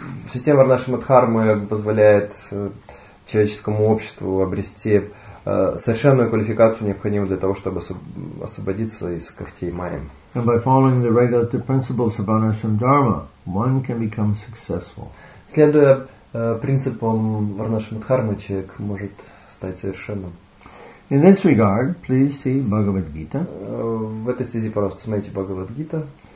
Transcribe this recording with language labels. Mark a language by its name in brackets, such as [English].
[Russian] Система Варнашрама Дхармы позволяет человеческому обществу обрести совершенную квалификацию, необходимую для того, чтобы освободиться из когтей Майи. [English] And by following the regulative principles of Varnashrama Dharma, one can become successful. [Russian] Следуя принципам Варнашрама Дхармы, человек может стать совершенным. [English] In this regard, please see Bhagavad Gita. [Russian] В этой связи, пожалуйста, смотрите Бхагавад-гита.